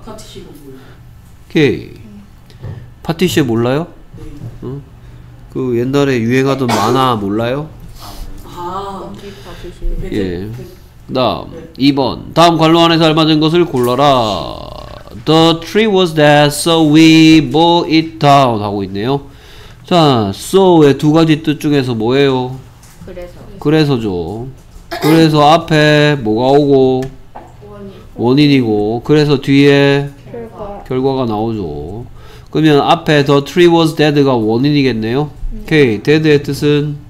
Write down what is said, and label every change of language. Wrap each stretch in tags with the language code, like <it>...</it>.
<ko>파티시에 몰라요. 오케이. 파티시에 몰라요? 네. 응? 그 옛날에 유행하던 만화 몰라요? 아, 파티시에. 예. 다음, 네. 2번. 다음 관로 안에서 알맞은 것을 골라라.</ko> <en>The tree was there, so we bore it down.</en> <ko>하고 있네요. 자, so의 두 가지 뜻 중에서 뭐예요? 그래서죠. 그래서 앞에 뭐가 오고? 원인이고. 그래서 뒤에? 결과가 나오죠. 그러면 앞에</ko> <en>the tree was dead</en> <ko>가 원인이겠네요? 오케이. dead의 뜻은?</ko>